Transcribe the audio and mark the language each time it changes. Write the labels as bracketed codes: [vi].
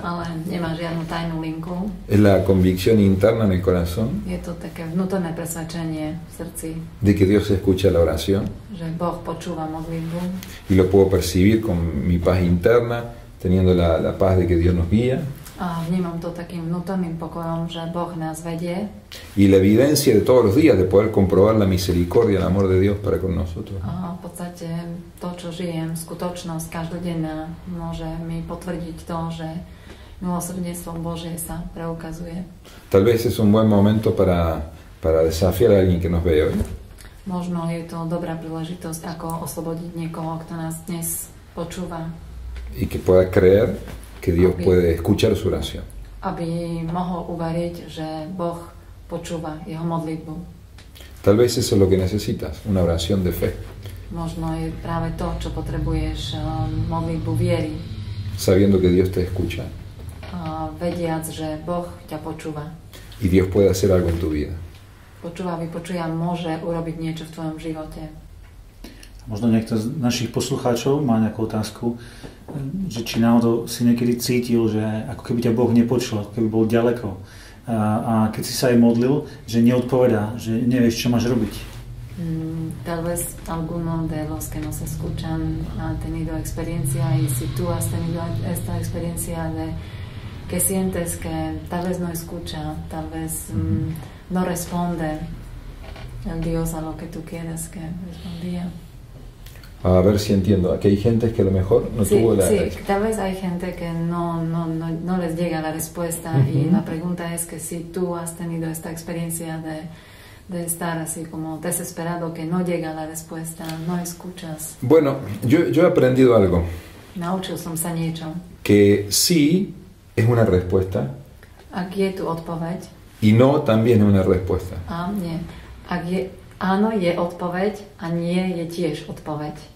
[sk] Ale nemá žiadnu tajnú linku. [es] Es la convicción interna en el corazón. [sk] Je to také vnútorné presvedčenie v srdci. [es] De que Dios escucha la oración. [sk] Že Boh počúva modlitbu. [es] Y lo puedo percibir con mi paz interna, teniendo la paz de que Dios nos guía. [sk] A vnímam to takým vnútorným pokojom, že Boh nás vedie. [es] Y la evidencia de todos los días de poder comprobar la misericordia, el amor de Dios para con nosotros. [sk] A v podstate to, čo žijem, skutočnosť každodenná, môže mi potvrdiť to, že milosrdenstvo Božie sa preukazuje. [es] Tal vez es un buen momento para desafiar a alguien que nos ve hoy. [sk] Možno je to dobrá príležitosť, ako oslobodiť niekoho, kto nás dnes počúva. [es] Y que pueda creer que Dios puede escuchar su oración. [sk] Aby mohol uveriť, že Boh počúva jeho modlitbu. [es] Tal vez eso es lo que necesitas, una oración de fe. [sk] Možno je práve to, čo potrebuješ, modlitbu viery. [es] Sabiendo que Dios te escucha. [sk] A vediac, že Boh ťa počúva. [es] Y Dios puede hacer algo en tu vida. [sk] Počúva, vypočuje, môže urobiť niečo v tvojom živote. Možno niekto z našich poslucháčov má nejakú otázku, že či náhodou si niekedy cítil, že ako keby ťa Boh nepočul, ako keby bol ďaleko. A keď si sa aj modlil, že neodpovedá, že nevieš, čo máš robiť. [es] Tal vez alguno de los que nos escuchan ha tenido experiencia y si tú has tenido esta experiencia de que sientes que tal vez no escucha, tal vez no responde el Dios a lo que tú quieres que respondía. A ver si entiendo, aquí hay gente que a lo mejor no sí, tuvo la... Sí, tal vez hay gente que no les llega la respuesta y la pregunta es que si tú has tenido esta experiencia de estar así como desesperado, que no llega la respuesta, no escuchas. Bueno, yo he aprendido algo. [sk] Naučil som sa niečo. [es] Que sí es una respuesta. [sk] Ak je tu odpoveď. [es] Y no también es una respuesta. [sk] A nie. Ak je... Áno, je odpoveď a nie je tiež odpoveď.